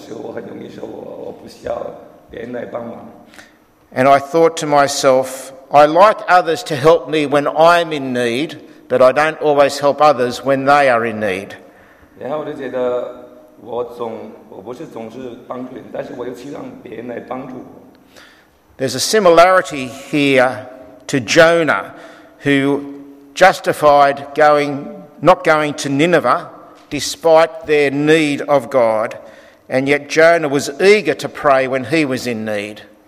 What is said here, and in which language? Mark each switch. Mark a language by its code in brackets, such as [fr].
[zh] 可是因为我不需要帮忙的时候，我很容易说我不需要别人来帮忙。 [en] And I thought to myself, I like others to help me when I'm in need, but I don't always help others when they are in need. [zh] 然后我就觉得我不是总是帮助人，但是我又期望别人来帮助我。 [en] There's a similarity here to Jonah, who justified not going to Nineveh despite their need of God, and yet Jonah was eager to pray when he was in need.